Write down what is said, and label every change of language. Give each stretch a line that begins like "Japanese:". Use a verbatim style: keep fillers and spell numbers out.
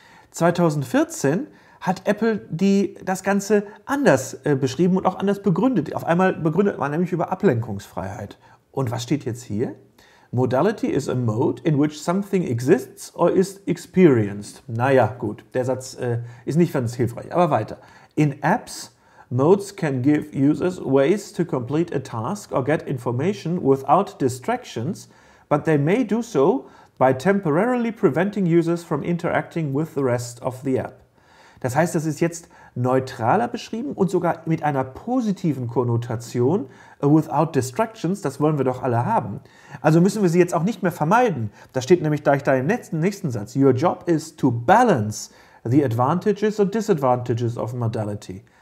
German: zweitausendvierzehn hat Apple die, das Ganze anders äh, beschrieben und auch anders begründet. Auf einmal begründet man nämlich über Ablenkungsfreiheit. Und was steht jetzt hier?
English: Modality is a mode in which something exists or is experienced.
German: Naja, gut, der Satz äh, ist nicht ganz hilfreich, aber weiter.
English: In Apps, modes can give users ways to complete a task or get information without distractions, but they may do so by temporarily preventing users from interacting with the rest of the app.
German: Das heißt, das ist jetzt neutraler beschrieben und sogar mit einer positiven Konnotation,
English: without distractions,
German: das wollen wir doch alle haben. Also müssen wir sie jetzt auch nicht mehr vermeiden. Da steht nämlich gleich da im nächsten, nächsten Satz,
English: your job is to balance the advantages and disadvantages of modality.